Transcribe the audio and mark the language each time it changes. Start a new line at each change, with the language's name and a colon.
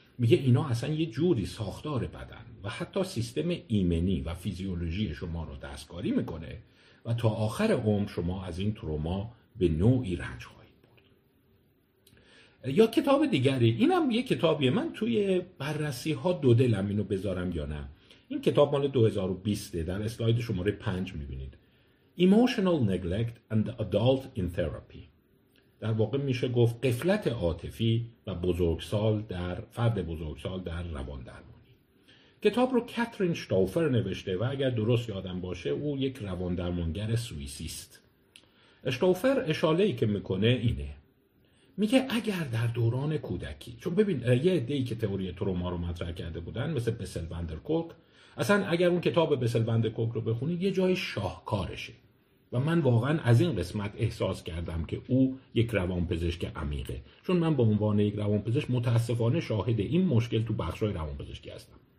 Persian: میگه اینا اصلا یه جوری ساختار بدن و حتی سیستم ایمنی و فیزیولوژی شما رو دستکاری می‌کنه و تا آخر عمر شما از این تروما به نوعی رنج خواهید برد. یا کتاب دیگری، اینم یه کتابیه، من توی بررسی ها دو دلم اینو بذارم یا نه. این کتاب مال 2020 در اسلاید شماره 5 میبینید.
English: Emotional neglect and adult in therapy.
Persian: در واقع میشه گفت غفلت عاطفی و بزرگسال در فرد بزرگسال در روان درمانی. کتاب رو کاترین شتوفر نوشته و اگر درست یادم باشه او یک روان درمانگر سوئیسی است. شتوفر اشاره‌ای که میکنه اینه. میگه اگر در دوران کودکی، چون ببین یه عده‌ای که تئوری تروما رو مطرح کرده بودن مثل بسل وندرکوک، اصلا اگر اون کتاب بسل وندرکوک رو بخونید یه جای شاهکارشه و من واقعا از این قسمت احساس کردم که او یک روانپزشک عمیقه، چون من به عنوان یک روانپزشک متاسفانه شاهد این مشکل تو بخشای روانپزشکی هستم.